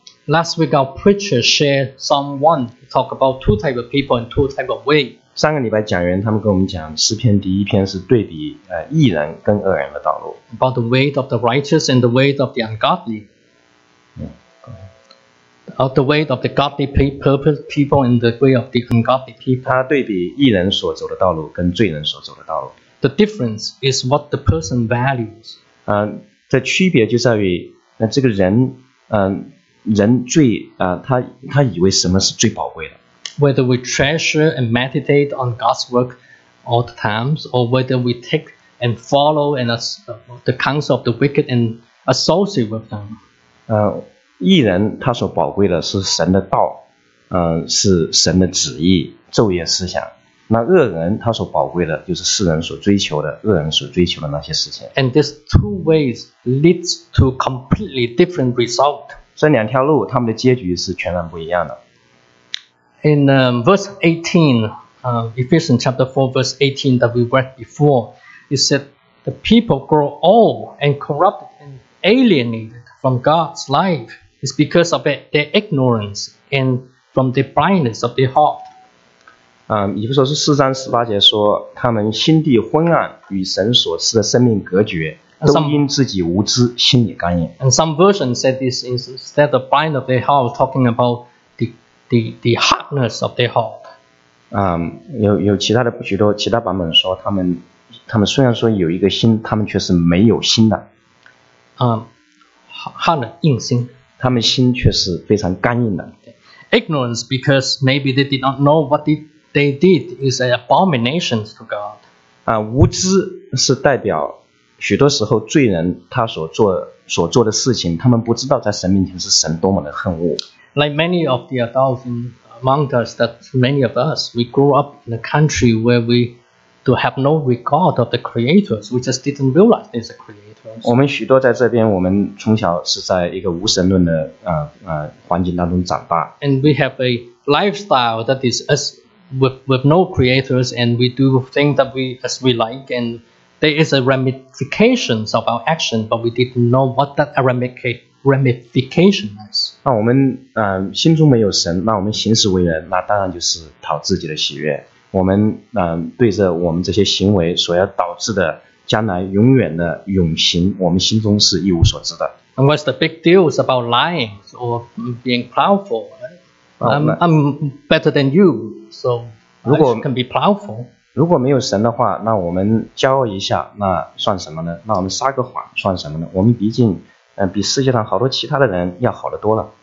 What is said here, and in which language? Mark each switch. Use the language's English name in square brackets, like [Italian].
[English] Last week, our preacher shared someone talk about two type of people and two type of way. [Chinese] 上个礼拜讲员他们跟我们讲诗篇第一篇是对比义人跟恶人的道路。 [English] About the weight of the righteous and the weight of the ungodly. About the weight of the godly people and the way of the ungodly people. [Chinese] 他对比义人所走的道路跟罪人所走的道路。 [English] The difference is what the person values. [Chinese] 这区别就在于这个人人最他以为什么是最宝贵的。 [English] Whether we treasure and meditate on God's work all the times, or whether we take and follow and the counsel of the wicked and associate with them. [Chinese] 义人他所宝贵的是神的道，是神的旨意，昼夜思想。那恶人他所宝贵的就是世人所追求的，恶人所追求的那些事情。 [English] And these two ways leads to completely different result. [Chinese] 这两条路，他们的结局是全然不一样的。 [English] In verse 18, Ephesians chapter 4, verse 18 that we read before, it said, the people grow old and corrupted and alienated from God's life. It's because of their ignorance and from the blindness of their heart. [Chinese] 以弗所书四章十八节说，他们心地昏暗，与神所赐的生命隔绝，都因自己无知，心里刚硬。 [English] And some version said this instead of blind of their heart, talking about the hardness of their heart. [Chinese] 有其他的许多其他版本说，他们虽然说有一个心，他们却是没有心的。 [English] hard [Chinese] 硬心。他们心却是非常刚硬的。 [English] Ignorance because maybe they did not know what they did is an abomination to God. [Chinese] 无知是代表许多时候罪人他所做的事情，他们不知道在神面前是神多么的恨恶。 [English] Like many of the adults among us, that many of us, we grew up in a country where we to have no regard of the creators. We just didn't realize there's a creator. [Chinese] 我们许多在这边，我们从小是在一个无神论的环境当中长大。 [English] And we have a lifestyle that is as with no creators, and we do things that we as we like, and there is a ramifications of our action, but we didn't know what that ramification is. [Chinese] 那我们心中没有神，那我们行事为人，那当然就是讨自己的喜悦。我们对着我们这些行为所要导致的将来永远的永刑，我们心中是一无所知的。 [English] And what's the big deal about lying or being proudful? I'm better than you, so I can be proudful. [Chinese] 如果没有神的话，那我们骄傲一下，那算什么呢？那我们撒个谎算什么呢？我们毕竟比世界上好多其他的人要好得多了。